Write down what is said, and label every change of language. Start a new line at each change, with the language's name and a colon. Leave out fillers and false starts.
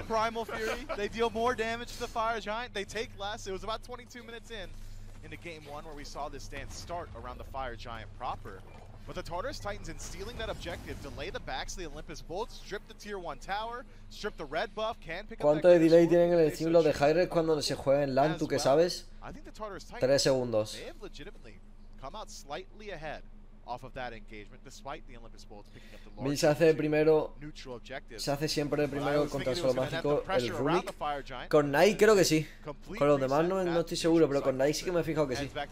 English: A primal fury. They deal more damage to the fire giant. They take less. It was about 22 minutes into game one where we saw this dance start around the fire giant proper. But the Tartarus Titans, in stealing that objective, delay the backs of the Olympus Bolts, strip the tier 1 tower, strip the red buff, can pick up.
Spanish: ¿Cuánto de delay tienen en el símbolo de Hyrule cuando se juega en LAN, tú que sabes? 3 segundos.
English: They have legitimately come out slightly ahead off of that engagement, despite the Olympus Bolts picking up the
Spanish: Lord. Se hace primero,
English: neutral objectives.
Spanish: Se hace siempre el primero contra el suelo mágico, el Runic. Con Knight creo que sí. Con los demás no, no estoy seguro, pero con Knight sí que me he fijado que sí.